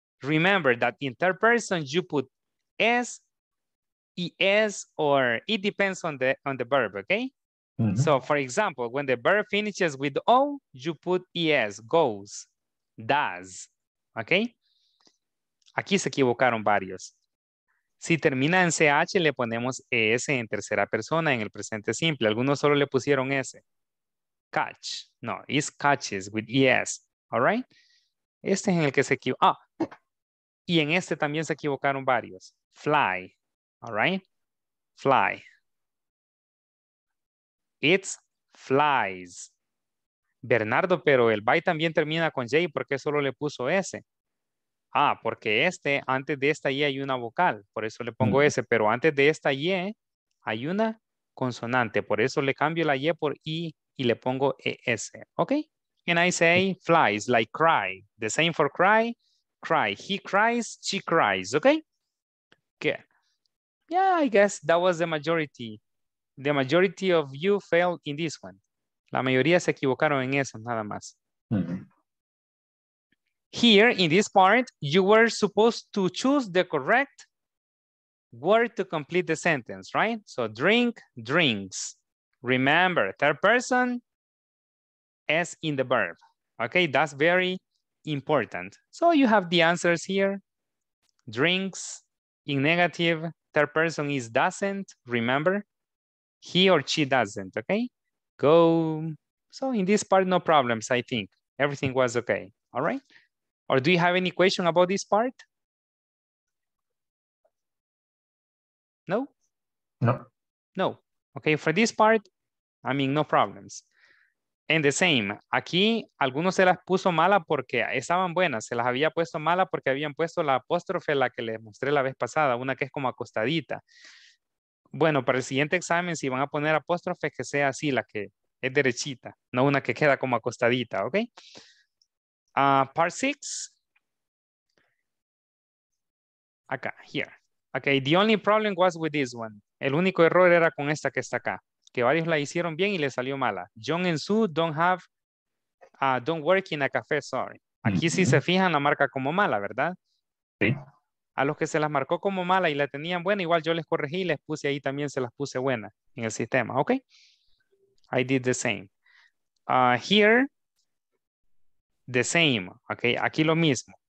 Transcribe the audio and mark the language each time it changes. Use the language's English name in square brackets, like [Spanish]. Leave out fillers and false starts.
[English] Remember that in third person, you put S, ES, or it depends on the verb, okay? Mm-hmm. So for example, when the verb finishes with O, you put ES, goes. Does, okay? [Spanish] Aquí se equivocaron varios. Si termina en CH, le ponemos ES en tercera persona en el presente simple. Algunos solo le pusieron S. [English] Catch. No, it's catches with ES. All right? [Spanish] Este es en el que se equivocó. Ah, y en este también se equivocaron varios. [English] Fly. All right? Fly. It's flies. [Spanish] Bernardo, pero el by también termina con J, ¿por qué solo le puso S? Ah, porque este, antes de esta Y hay una vocal, por eso le pongo S, pero antes de esta Y hay una consonante, por eso le cambio la Y por I y le pongo ES, ¿ok? [English] And I say flies, like cry, the same for cry, cry. He cries, she cries, okay? Okay. Yeah, I guess that was the majority. The majority of you failed in this one. [Spanish] La mayoría se equivocaron en eso, nada más. [English] Here, in this part, you were supposed to choose the correct word to complete the sentence, right? So drink, drinks. Remember, third person is in the verb. Okay, that's very important. So you have the answers here. Drinks in negative, third person is doesn't, remember. He or she doesn't, okay? Go. So in this part, no problems, I think. Everything was okay, all right? Or do you have any question about this part? No? No. No. Okay, for this part, I mean, no problems. And the same. [Spanish] Aquí, algunos se las puso mala porque estaban buenas. Se las había puesto mala porque habían puesto la apóstrofe, la que les mostré la vez pasada, una que es como acostadita. Bueno, para el siguiente examen, si van a poner apóstrofe, que sea así, la que es derechita, no una que queda como acostadita, ¿ok? [English] Part six. [Spanish] Acá, here. [English] Okay, the only problem was with this one. [Spanish] El único error era con esta que está acá. Que varios la hicieron bien y le salió mala. [English] John and Sue don't have, don't work in a cafe, sorry. [Spanish] Aquí sí se fijan la marca como mala, ¿verdad? Sí. A los que se las marcó como mala y la tenían buena, igual yo les corregí y les puse ahí también, se las puse buena en el sistema, ¿ok? [English] I did the same. Here, the same, ¿ok? [Spanish] Aquí lo mismo.